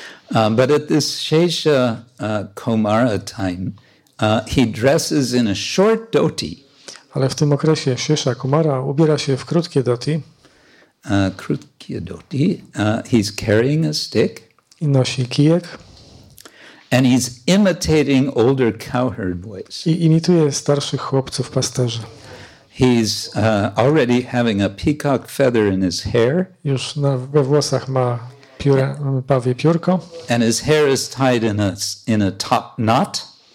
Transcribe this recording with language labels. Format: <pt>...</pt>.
<en>But at this Shesha Kaumara time, he dresses in a short dhoti.</en> <pl>Ale w tym okresie Shesha Kumara ubiera się w krótkie doti. Krótkie doti.</pl> <en>He's carrying a stick.</en> <pl>I nosi kijek.</pl> <en>And he's imitating older cowherd boys.</en> <pl>I imituje starszych chłopców pasterzy.</pl> <en>He's already having a peacock feather in his hair.</en> <pl>Już we włosach ma pawie piórko.</pl> <en>And his hair is tied in a top knot.</en>